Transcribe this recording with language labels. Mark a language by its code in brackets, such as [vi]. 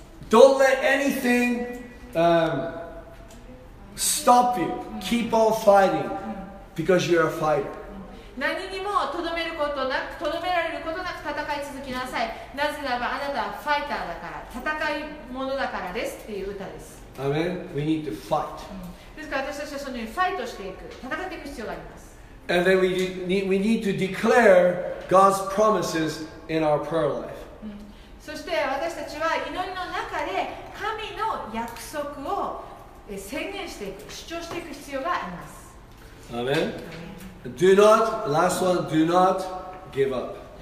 [en] Don't let anything、stop you keep on fighting because you're a fighter [ja] 何にもとどめることなくとどめられることなく戦い続けなさいなぜならばあなたはファイターだから戦い者だからですっていう歌です [en] Amen? We need to fight [ja] ですから私たちはそのようにファイトしていく、戦っていく必要があります。 [en] And then we need to declare God's promises in our prayer life. [ja] そして私たちは祈りの中で神の約束を宣言していく、主張していく必要があります。 [en] Amen. Do not, last one, do not give up.